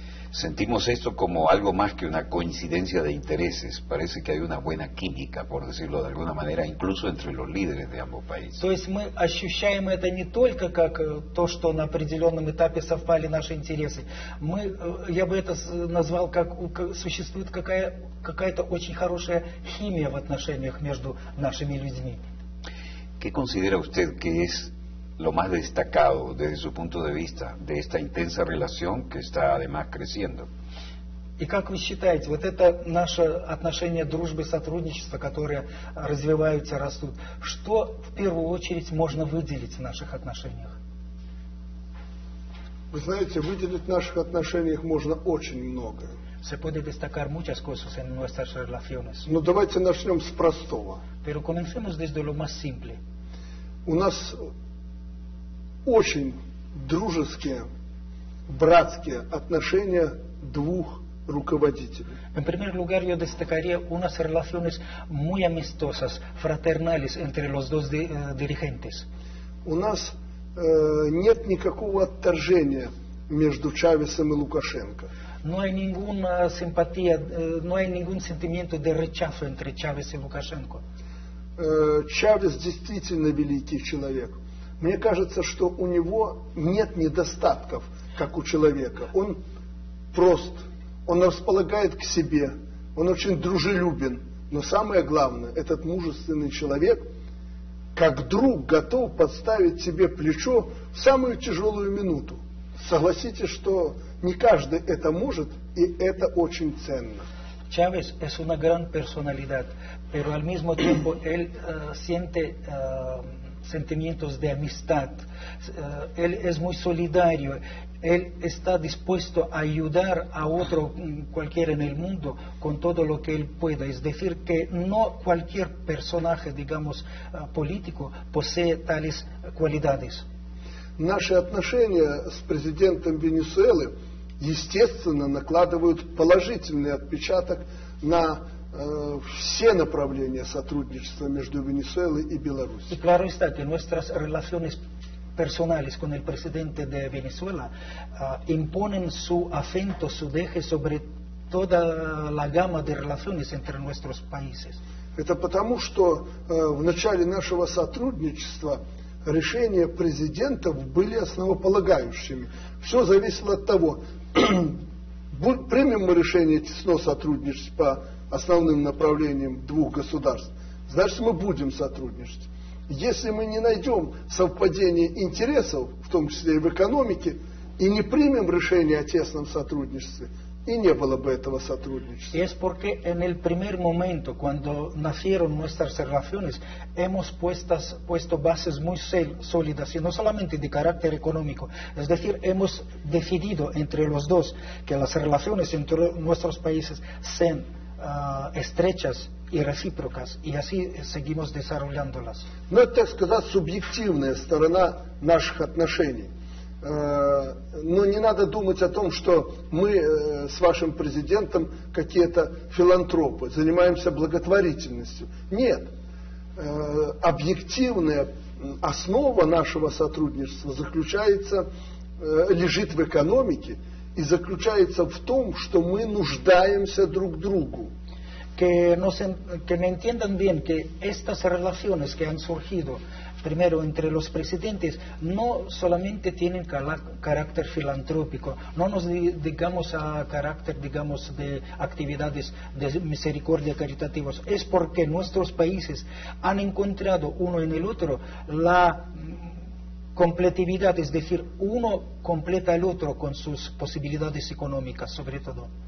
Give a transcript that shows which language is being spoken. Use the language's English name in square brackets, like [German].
[Spanish] Sentimos esto como algo más que una coincidencia de intereses. Parece que hay una buena química, por decirlo de alguna manera, incluso entre los líderes de ambos países. [Russian] То есть мы ощущаем это не только как то, что на определенном этапе совпали наши интересы. Мы, я бы это назвал, как существует какая-то очень хорошая химия в отношениях между нашими людьми. [Spanish] ¿Qué considera usted que es lo más destacado desde su punto de vista de esta intensa relación que está además creciendo? [Russian] ¿Y как вы считаете, вот это наше отношение дружбы, сотрудничества, которое развиваются, растут, что в первую очередь можно выделить в наших отношениях? Вы знаете, выделить в наших отношениях можно очень много. [Spanish] Se puede destacar muchas cosas en nuestras relaciones. [Russian] Но давайте начнем с простого. [Spanish] Pero comencemos desde lo más simple. [Russian] У нас очень дружеские, братские отношения двух руководителей. [Spanish] En primer lugar, yo destacaría unas relaciones muy amistosas, fraternales entre los dos dirigentes. [Russian] У нас нет никакого отторжения между Чавесом и Лукашенко. [Spanish] No hay ninguna simpatía, no hay ningún sentimiento de rechazo entre Chávez y Lukashenko. [Russian] Чавес действительно великий человек. Мне кажется, что у него нет недостатков, как у человека. Он прост, он располагает к себе, он очень дружелюбен. Но самое главное, этот мужественный человек, как друг, готов подставить себе плечо в самую тяжелую минуту. Согласитесь, что не каждый это может, и это очень ценно. Чавес – это огромная персоналидадь, [Spanish] pero al mismo tiempo él siente sentimientos de amistad. Él es muy solidario. Él está dispuesto a ayudar a otro cualquiera en el mundo con todo lo que él pueda. Es decir, que no cualquier personaje, digamos, político, posee tales cualidades. [Russian] Наши отношения с президентом Венесуэлы, естественно, накладывают положительный отпечаток на все направления сотрудничества между Венесуэлой и Беларусью. [Spanish] И, claro está, que nuestras relaciones personales con el presidente de Venezuela imponen su acento, su deje sobre toda la gama de relaciones entre nuestros países. [Russian] Это потому, что в начале нашего сотрудничества решения президентов были основополагающими. Все зависело от того, примем мы решение тесно сотрудничать по основным направлениям двух государств, значит, мы будем сотрудничать. Если мы не найдем совпадение интересов, в том числе и в экономике, и не примем решение о тесном сотрудничестве, и не было бы этого сотрудничества. [Spanish] Es porque en el primer momento, cuando nacieron nuestras relaciones, hemos puesto bases muy sólidas, y no solamente de carácter económico. Es decir, hemos decidido entre los dos que las relaciones entre nuestros países sean estrechas y recíprocas, y así seguimos desarrollándolas. [Russian] Ну, так сказать, субъективная сторона наших отношений. Но не надо думать о том, что мы с вашим президентом какие-то филантропы, занимаемся благотворительностью. Нет. Объективная основа нашего сотрудничества заключается, лежит в экономике и заключается в том, что мы нуждаемся друг другу. [Spanish] Que me entiendan bien que estas relaciones que han surgido primero entre los presidentes no solamente tienen carácter filantrópico, no nos digamos a carácter, digamos, de actividades de misericordia caritativas, es porque nuestros países han encontrado uno en el otro la completividad, es decir, uno completa al otro con sus posibilidades económicas, sobre todo.